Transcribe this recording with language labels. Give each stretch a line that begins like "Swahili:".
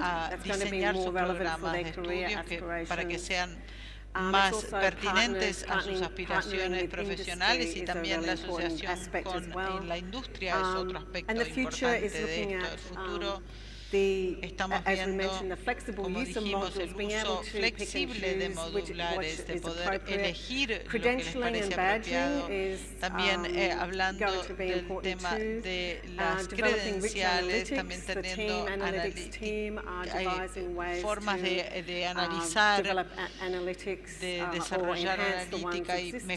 English: That's going to be more relevant for their career aspirations.
Spanish: Más pertinentes a sus aspiraciones profesionales y también la asociación con la industria es otro aspecto importante de esto. El futuro.
English: As we mentioned, the flexible use of modules, being able to pick and choose which is appropriate. Credentialing and badging is going to be important too. Developing rich analytics, the team analytics team are devising ways to develop analytics or enhance the ones existing